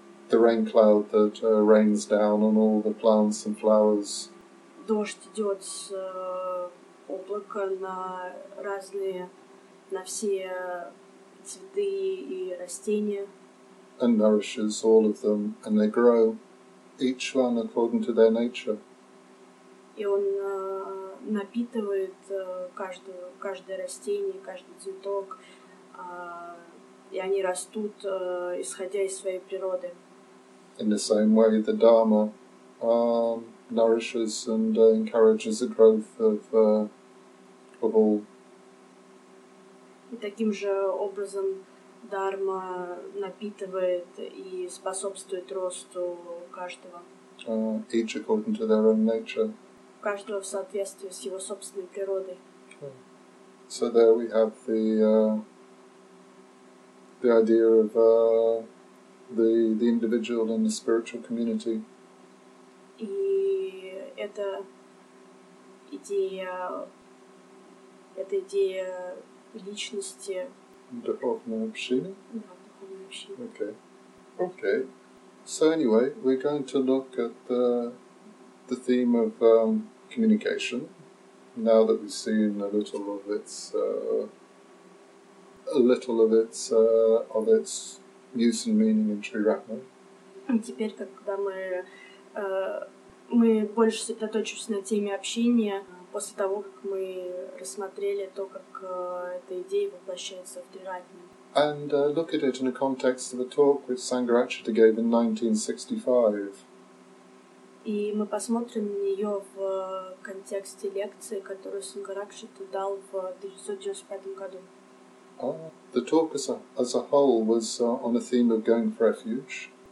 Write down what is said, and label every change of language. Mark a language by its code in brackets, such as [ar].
[en] The rain cloud that rains down on all the plants and flowers. [ru] Дождь идет с облака на разные, на все цветы и растения. [en] And nourishes all of them, and they grow, each one according to their nature. [ru] И он напитывает каждое растение, каждый цветок, и они растут исходя из своей природы. [en] In the same way, the Dharma nourishes and encourages the growth of all. [ru] И таким же образом Дарма напитывает и способствует росту каждого. [en] Each according to their own nature. [ru] Каждого в соответствии с его собственной природой. [en] Okay. So there we have the idea of the individual and the spiritual community. [ru] И это идея, эта идея личности. Духовная община? Да, [en] Okay. So anyway, we're going to look at the theme of communication, now that we've seen a little of its use and meaning in Sri Ratna. [ru] Теперь, когда мы больше сосредоточимся на теме общения, после того, как мы рассмотрели то, как эта идея воплощается в Триратне. [en] And look at it in the context of a talk which Sangharakshita gave in 1965. [ru] И мы посмотрим на нее в контексте лекции, которую Сангхарашита дал в 1995 году. [en] The talk as a whole was on the theme of going for refuge.